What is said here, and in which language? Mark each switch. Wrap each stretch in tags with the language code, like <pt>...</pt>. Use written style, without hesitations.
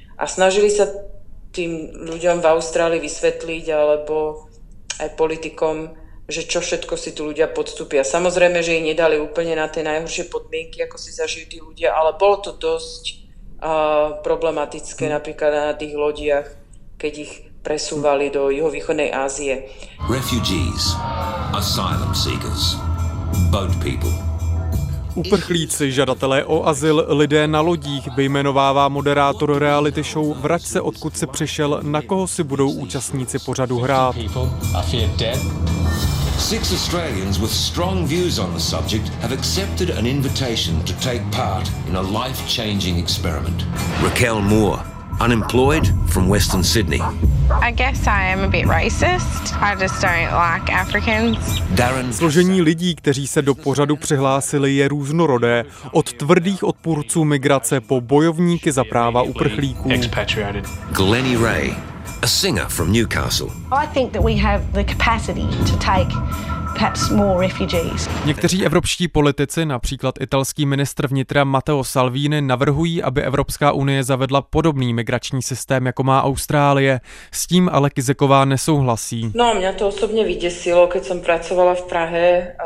<sk>A snažili sa tým ľuďom v Austrálii vysvetliť alebo aj politikom, že čo všetko si tu ľudia podstúpia. Samozrejme, že ich nedali úplne na tie najhoršie podmienky, ako si zažijú tí ľudia, ale bolo to dosť problematické napríklad na tých lodiach, keď ich presúvali do juhovýchodnej Ázie.</sk> <en>Refugees, asylum seekers, boat people.</en> <cs>Uprchlíci, žadatelé o azyl, lidé na lodích, vyjmenovává moderátor reality show Vrať se, odkud si přišel, na koho si budou účastníci pořadu hrát.</cs> <en>Six Australians with strong views on the subject have accepted an invitation to take part in a life-changing experiment. Raquel Moore, unemployed from Western Sydney. I guess I am a bit racist. I just don't like Africans. Darren.</en> <cs>Složení lidí, kteří se do pořadu přihlásili, je různorodé, od tvrdých odpůrců migrace po bojovníky za práva uprchlíků.</cs> <en>Glennie Ray. A singer from Newcastle. I think that we have the capacity to take perhaps more refugees.</en> <cs>Někteří evropští politici, například italský ministr vnitra Matteo Salvini, navrhují, aby Evropská unie zavedla podobný migrační systém, jako má Austrálie. S tím ale Kizeková nesouhlasí.</cs> <sk>No a mě to osobně vyděsilo, keď jsem pracovala v Prahe.</sk>